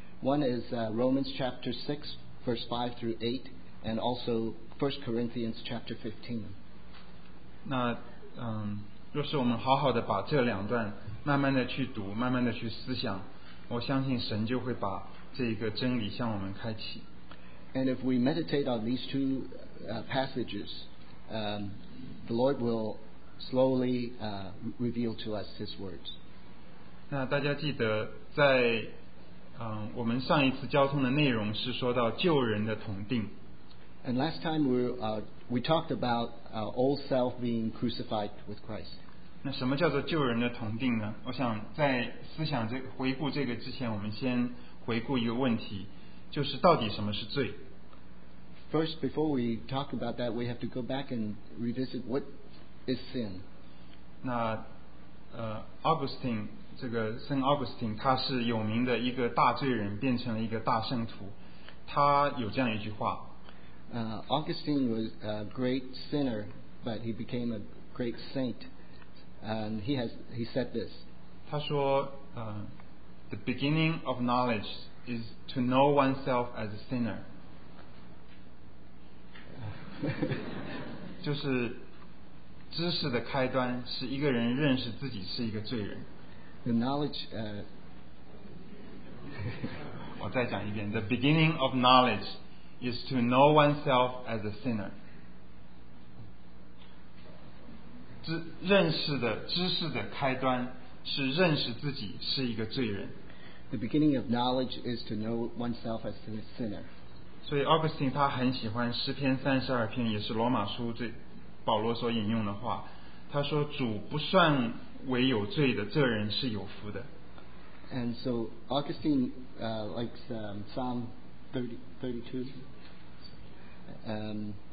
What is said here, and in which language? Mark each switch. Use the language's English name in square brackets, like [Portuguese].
[English] One is Romans chapter 6 verse 5 through 8 and also 1 Corinthians chapter 15. [Chinese] 那若是我们好好的把这两段慢慢的去读，慢慢的去思想，我相信神就会把这个真理向我们开启。 [English] And if we meditate on these two passages, the Lord will slowly reveal to us his words. [Chinese] 那大家记得在我们上一次交通的内容是说到旧人的同钉。 [English] And last time we talked about our old self being crucified with Christ. [Chinese] 那什么叫做旧人的同钉呢？我想在思想这回顾这个之前，我们先回顾一个问题，就是到底什么是罪。 [English] First, before we talk about that, we have to go back and revisit what is sin. [Chinese] 那Augustine这个圣奥古斯丁，他是有名的一个大罪人，变成了一个大圣徒。他有这样一句话。 [English] Augustine was a great sinner, but he became a great saint. And he said this. [Chinese] 他说， [English] The beginning of knowledge is to know oneself as a sinner. [Chinese] 就是知识的开端是一个人认识自己是一个罪人。 [English] The knowledge. [Chinese] 我再讲一遍。 [English] The beginning of knowledge is to know oneself as a sinner. [Chinese] 知识的开端是认识自己是一个罪人。 [English] The beginning of knowledge is to know oneself as a sinner. [Chinese] 所以奥古斯丁他很喜欢诗篇三十二篇，也是罗马书最保罗所引用的话。他说：“主不算。” 唯有罪的这人是有福的。 [English] And so Augustine likes Psalm 32.